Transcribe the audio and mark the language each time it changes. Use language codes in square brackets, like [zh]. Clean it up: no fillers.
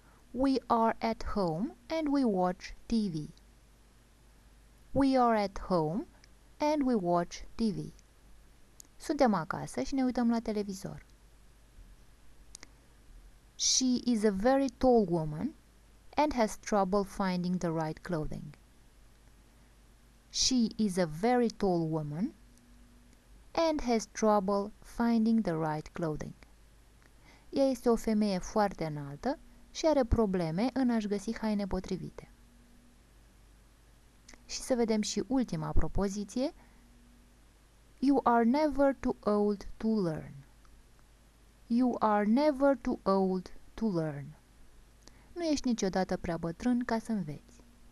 [en] We are at home and we watch TV. We are at home and we watch TV. [ro] Suntem acasă și ne uităm la televizor. [en] She is a very tall woman and has trouble finding the right clothing. She is a very tall woman and has trouble finding the right clothing. [ro] Ea este o femeie foarte înaltă și are probleme în a-și găsi haine potrivite. Și să vedem și ultima propoziție. [en] You are never too old to learn. You are never too old to learn. [ro] Nu ești niciodată prea bătrân ca să înveți.